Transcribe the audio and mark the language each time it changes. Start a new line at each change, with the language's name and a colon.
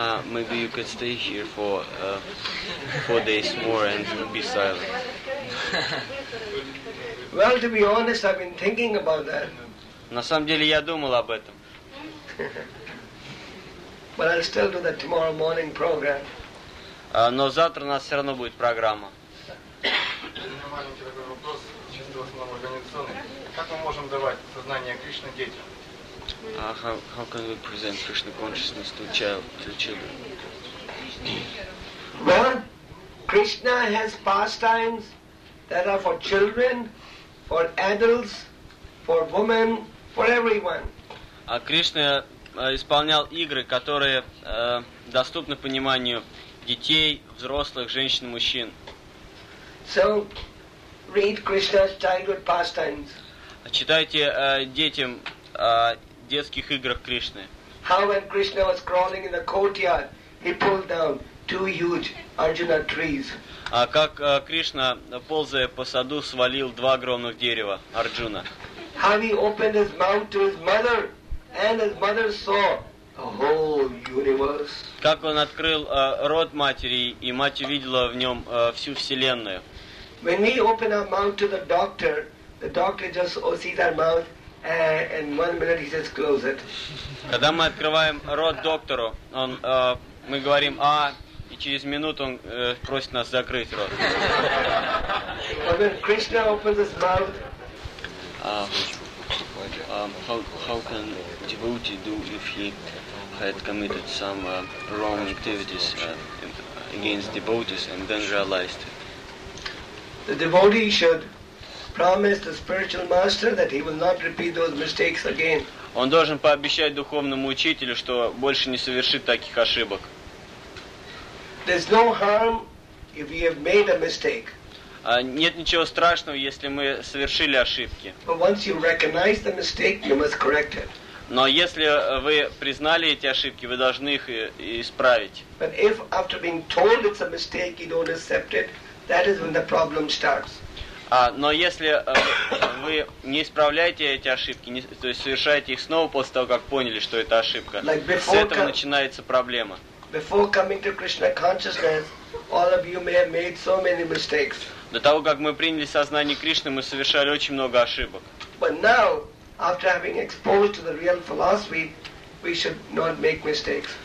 English: Maybe you could stay here for 4 days more and be silent. Well, to be honest, I've been thinking about that.
Russian: На самом деле я думал об этом.
English: But I'll still do the tomorrow morning program.
Russian: Но завтра у нас все равно будет программа. Нормальный такой вопрос. чистый основной организационный. Как мы можем давать сознание Кришны детям?
English: How can we present Krishna consciousness to children? Well, Krishna has pastimes that are for children, for adults, for women, for everyone.
Russian: А Кришна исполнял игры, которые доступны пониманию детей, взрослых, женщин, мужчин.
English: So, read Krishna's childhood pastimes.
Russian: Читайте детям детских играх Кришны.
English: How when Krishna was crawling in the courtyard, he pulled down two huge Arjuna trees.
Russian: А как Кришна, ползая по саду, свалил два огромных дерева Арджуна.
English: How he opened his mouth to his mother, and his mother saw the whole universe.
Russian: Как он открыл рот матери, и мать увидела в нем всю вселенную.
English: When we open our mouth to the doctor just sees our mouth. And 1 minute he says, close it.
Russian: Когда мы открываем рот доктору, он, мы говорим «А», и через минуту он просит нас закрыть рот.
English: And when Krishna opens his mouth, how can devotee do if he had committed some wrong activities against devotees and then realized it? The devotee should promise the spiritual master that he will not repeat those mistakes again.
Russian: Он должен пообещать духовному учителю, что больше не совершит таких ошибок.
English: There's no harm if we have made a mistake.
Russian: Нет ничего страшного, если мы совершили ошибки.
English: But once you recognize the mistake, you must correct it.
Russian: Но если вы признали эти ошибки, вы должны их исправить.
English: But if after being told it's a mistake, you don't accept it, that is when the problem starts.
Russian: Но если вы не исправляете эти ошибки, не, то есть совершаете их снова после того, как поняли, что это ошибка,
English: like
Russian: с этого начинается проблема.
English: Before coming to Krishna consciousness, all of you may have made so many mistakes.
Russian: До того, как мы приняли сознание Кришны, мы совершали очень много ошибок.
English: But now, after having exposed to the real philosophy, we should not make mistakes.